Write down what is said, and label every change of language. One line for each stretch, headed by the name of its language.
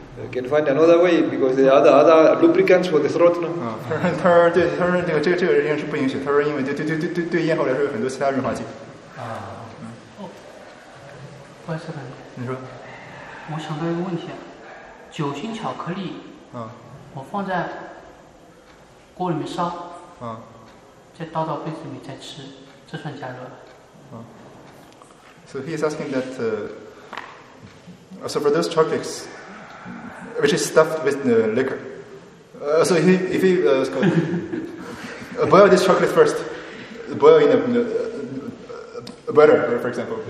English: Can find another way because the other lubricants for the throat.
Chinese: 他说这个人是不允许。他说因为对咽喉来说有很多其他润滑剂。关斯坦，你说，我想到一个问题，酒心巧克力，我放在锅里面烧，再倒到杯子里面再吃，这算加热？
English: So he is asking that, so for those chocolates. Which is stuffed with the liquor. So if he boil this chocolate first, boil in a butter, for example.